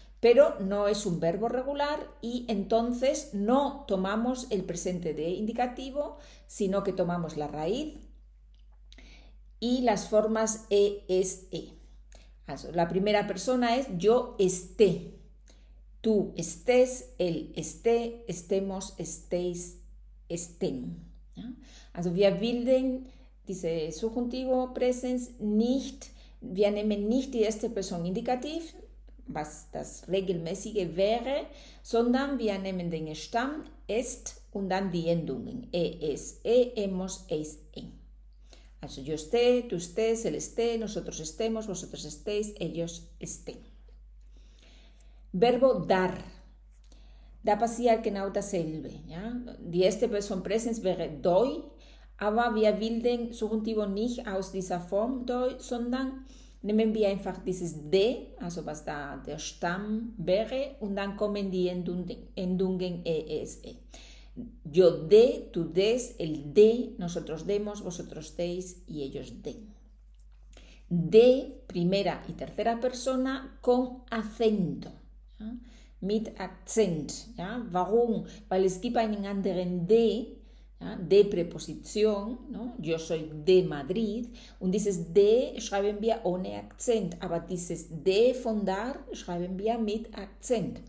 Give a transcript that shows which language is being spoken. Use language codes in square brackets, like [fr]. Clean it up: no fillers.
[es] Pero no es un verbo regular y entonces no tomamos el presente de indicativo, sino que tomamos la raíz y las formas ese. La primera persona es yo esté. Tú estés, él esté, estemos, estéis, estén. [de] Also wir bilden diese Subjunktivpräsens nicht, wir nehmen nicht die erste Person Indikativ, was das regelmäßige wäre, sondern wir nehmen den Stamm, est und dann die Endungen. [es] Es, hemos, es, en. Also yo esté, tú estés, él esté, nosotros estemos, vosotros estéis, ellos estén. Verbo dar. [de] Da passiert genau dasselbe. Ja? Die erste Person Präsens wäre doi, aber wir bilden Subjuntivo nicht aus dieser Form doi, sondern nehmen wir einfach dieses de, also was da der Stamm wäre, und dann kommen die Endungen es. [es] Yo de, tú des, él de, nosotros demos, vosotros deis y ellos den. De, primera y tercera persona con acento. [de] Ja? Mit Akzent. Ja? Warum? Weil es gibt einen anderen D, ja? D-Präposition. No? [es] Yo soy de Madrid. [de] Und dieses D schreiben wir ohne Akzent. Aber dieses D von da schreiben wir mit Akzent.